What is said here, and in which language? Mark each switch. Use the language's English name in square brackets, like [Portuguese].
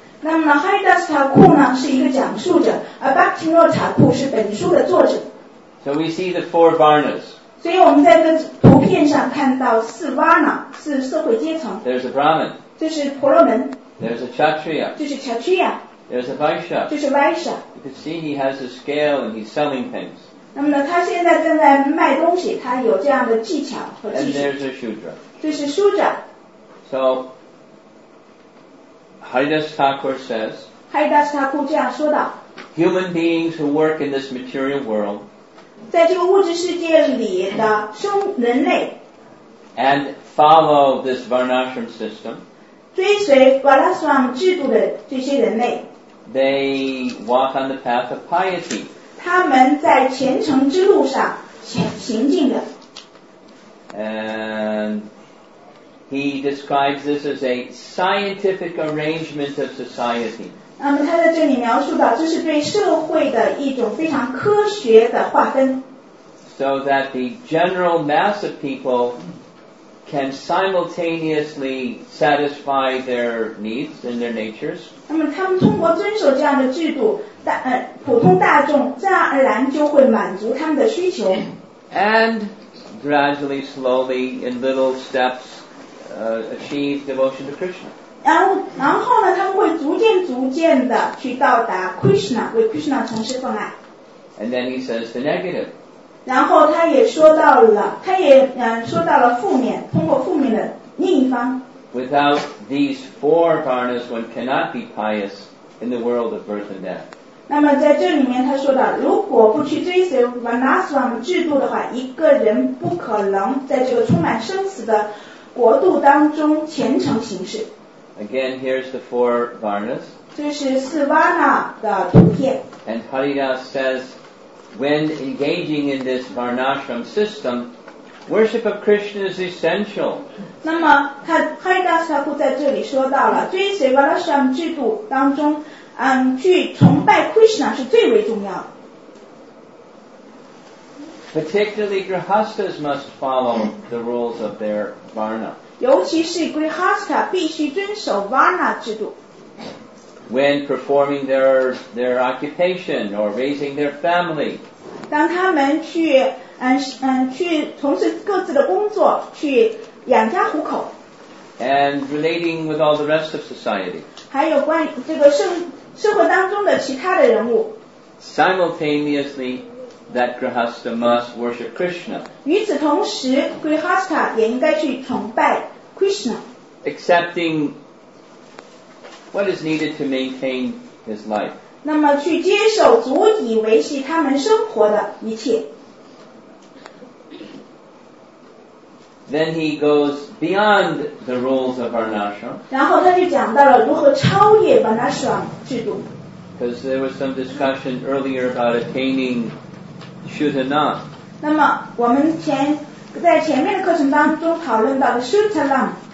[Chinese] 那么 Haridas Thakur 呢是一个讲述者，而 Bhaktivinoda Thakur 是本书的作者。 [English] So we see the four varnas. [Chinese] 所以我们在这图片上看到四 varna 是社会阶层。 [English] There's a Brahmin. [Chinese] 这是婆罗门。 [English] There's a Kshatriya. [Chinese] 这是 Kshatriya. [English] There's a Vaishya. [Chinese] 这是 Vaishya. [English] You can see he has a scale and he's selling things. [Chinese] 那么呢，他现在正在卖东西，他有这样的技巧和技术。 [English] And there's a Shudra. [Chinese] 这是 Shudra. [English] So. Haridas Thakur says, [Chinese] Haridas Thakur 这样说道 [English] human beings who work in this material world, [Chinese] 在这个物质世界里的生人类 [English] and follow this Varnashram system, [Chinese] 追随 Varnashram 制度的这些人类 [English] they walk on the path of piety, [Chinese] 他们在虔诚之路上行进的 [English] andHe describes this as a scientific arrangement of society. [Chinese] 那么他在这里描述到，这是对社会的一种非常科学的划分。 [English] So that the general mass of people can simultaneously satisfy their needs and their natures. [Chinese] 那么他们通过遵守这样的制度，普通大众自然而然就会满足他们的需求。 [English] And gradually, slowly, in little steps. Achieve devotion to Krishna. [Chinese] 然后呢，他们会逐渐的去到达 Krishna， 为 Krishna 从事奉爱。 [English] And then he says the negative. [Chinese] 然后他也说到了，他也说到了负面，通过负面的另一方。 [English] Without these four varnas, one cannot be pious in the world of birth and death. [Chinese] 那么在这里面，他说到，如果不去追随 Vanashram 制度的话，一个人不可能在这个充满生死的国度当中虔诚行事。 [English] Again, here's the four varnas. [Chinese] 这是四 varna 的图片。 [English] And Haridas says, when engaging in this varnashram system, worship of Krishna is essential. [Chinese] 那么他 Haridas 他会在这里说到了，追随 varnashram 制度当中，去崇拜 Krishna 是最为重要的。 [English] Particularly grihasthas must follow the rules of their varna. [Chinese] 尤其是 grihastha 必须遵守 varna 制度。 [English] When performing their occupation or raising their family. [Chinese] 当他们去去从事各自的工作，去养家糊口。 [English] And relating with all the rest of society. [Chinese] 还有关于这个社会当中的其他的人物。 [English] Simultaneously, that grihastha must worship Krishna. [Chinese] 与此同时 ，grihastha 也应该去崇拜 Krishna. [English] Accepting what is needed to maintain his life. [Chinese] 那么去接受足以维系他们生活的一切。 [English] Then he goes beyond the rules of Varnashram. [Chinese] 然后他就讲到了如何超越 Varnashram 制度。 [English] Because there was some discussion earlier about attaining Shuddhana. [Chinese] 那么我们在前面的课程当中讨论到的 Shuddhanam。